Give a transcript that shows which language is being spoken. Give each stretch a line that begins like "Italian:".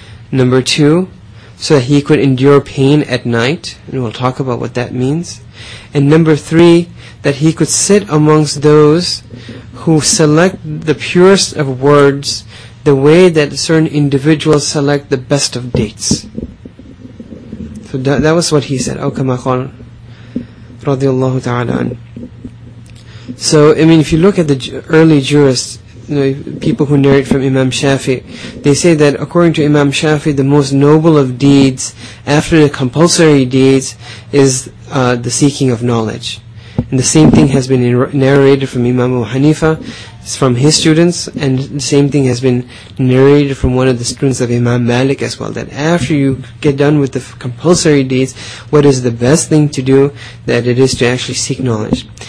English: Number two, so that he could endure pain at night, and we'll talk about what that means. And number three, that he could sit amongst those who select the purest of words the way that certain individuals select the best of dates. So that was what he said.
Arabic: أو كما قال رضي الله تعالى عنه.
English: So, I mean, if you look at the early jurists, you know, people who narrate from Imam Shafi, they say that according to Imam Shafi, the most noble of deeds after the compulsory deeds is the seeking of knowledge. And the same thing has been narrated from Imam Abu Hanifa, from his students, and the same thing has been narrated from one of the students of Imam Malik as well, that after you get done with the compulsory deeds, what is the best thing to do, that it is to actually seek knowledge.